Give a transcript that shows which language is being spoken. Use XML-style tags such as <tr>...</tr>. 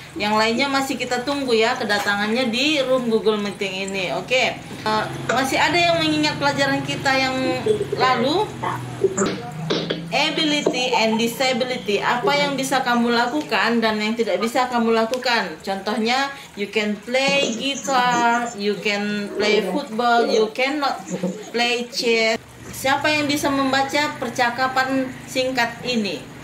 <id>Yang lainnya masih kita tunggu ya kedatangannya di room Google Meeting ini. Oke. Masih ada yang mengingat pelajaran kita yang lalu?</id> <en>Ability and disability.</en> <id>Apa yang bisa kamu lakukan dan yang tidak bisa kamu lakukan?</id> <en>Contohnya, you can play guitar, you can play football, you cannot play chess.</en> <id>Siapa yang bisa membaca percakapan singkat ini?</id>